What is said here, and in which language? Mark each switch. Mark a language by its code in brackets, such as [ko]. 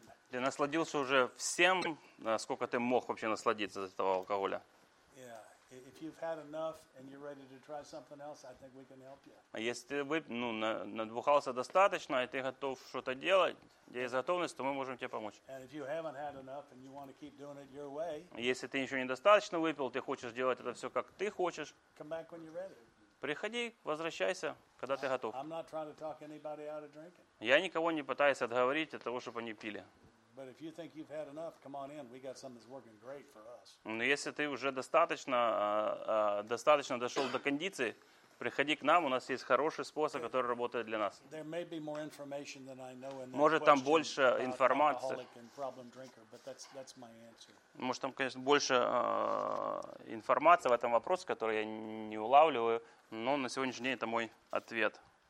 [ru] Ты насладился уже всем, сколько ты мог вообще насладиться от этого алкоголя? [en] If you've had enough and you're ready to try something else, I think we can help you. [ru] А если вы, ну, надбухался достаточно, и ты готов что-то делать, есть готовность, то мы можем тебе помочь. [en] And if you haven't had enough and you want to keep doing it your way, [ru] если ты еще недостаточно выпил, ты хочешь делать это все как ты хочешь, [en] come back when you're ready. [ru] Приходи, возвращайся, когда ты готов. [en] I'm not trying to talk anybody out of drinking. [ru] Я никого не пытаюсь отговорить от того, чтобы они пили. [en] But if you think you've had enough, come on in. We got something that's working great for us. [ru] Но если ты уже достаточно дошел до кондиции, приходи к нам. У нас есть хороший способ, который работает для нас. [en] There may be more information than I know in that. [ru] Может, там больше информации. [en] But that's my answer. [ru] Может, там, конечно, больше информации в этом вопросе, который я не улавливаю. Но на сегодняшний день это мой ответ.